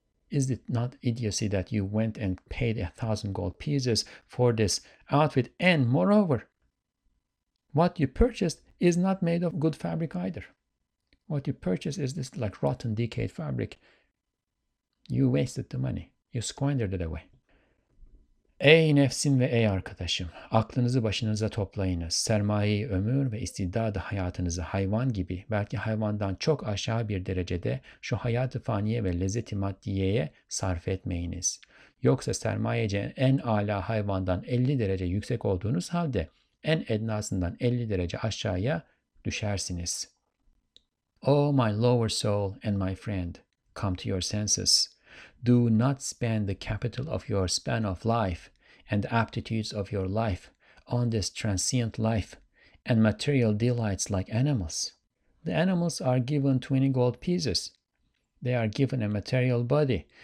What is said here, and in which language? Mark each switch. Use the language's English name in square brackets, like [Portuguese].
[English] Is it not idiocy that you went and paid 1,000 gold pieces for this outfit? And moreover, what you purchased is not made of good fabric either. What you purchased is this like rotten, decayed fabric. You wasted the money. You squandered it away. [Turkish] Ey nefsim ve ey arkadaşım, aklınızı başınıza toplayınız. Sermayeyi, ömür ve istidadı hayatınızı hayvan gibi, belki hayvandan çok aşağı bir derecede şu hayat-ı faniye ve lezzet-i maddiyeye sarf etmeyiniz. Yoksa sermayece en âlâ hayvandan 50 derece yüksek olduğunuz halde en ednasından 50 derece aşağıya düşersiniz. [English] Oh my lower soul and my friend, come to your senses. Do not spend the capital of your span of life and the aptitudes of your life on this transient life and material delights like animals. The animals are given 20 gold pieces. They are given a material body.